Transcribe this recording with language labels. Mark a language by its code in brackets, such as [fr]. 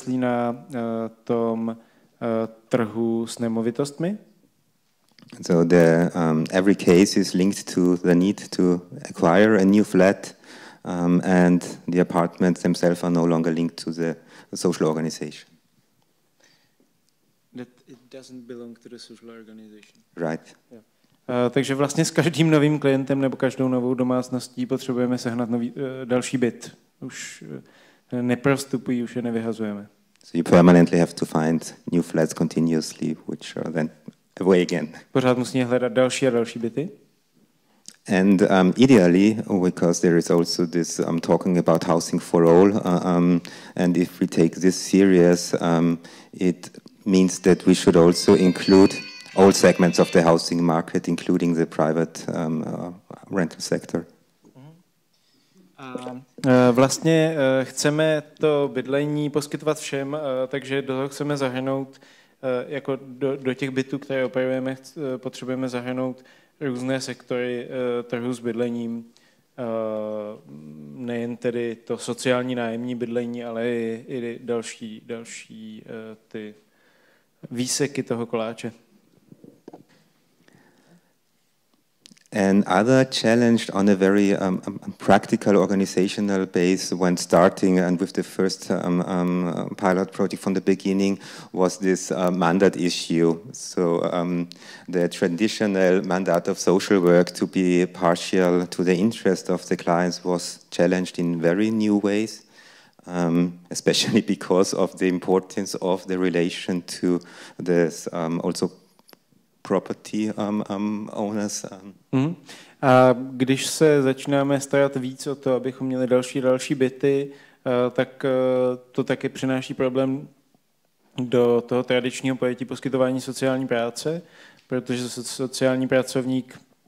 [cs] Jsme závislí na tom trhu s nemovitostmi. [en] So the every case is linked to the need to acquire a new flat and the apartments themselves are no longer linked to the social organization. That it doesn't belong to the social organization. Right. Yeah. [cs] Takže vlastně s každým novým klientem nebo každou novou domácností potřebujeme sehnat nový, další byt. Už neprostupují, už je nevyhazujeme. [en] So you permanently have to find new flats continuously, which are then away again. [cs] Pořád musí hledat další a další byty. [en] And ideally, because there is also this talking about housing for all, and if we take this serious, it means that we should also include all segments of the housing market, including the private rental sector. [cs] Vlastně chceme to bydlení poskytovat všem, takže do toho chceme zahrnout, jako do těch bytů, které operujeme, potřebujeme zahrnout různé sektory trhu s bydlením, nejen tedy to sociální nájemní bydlení, ale i další ty výseky toho koláče. [en] Another challenge on a very practical organizational base when starting and with the first pilot project from the beginning was this mandate issue. So the traditional mandate of social work to be partial to the interest of the clients was challenged in very new ways, especially because of the importance of the relation to this also property owners. [cs] A když se začínáme starat víc o to, abychom měli další byty, tak to taky přináší problém do toho tradičního pojetí poskytování sociální práce, protože sociální pracovník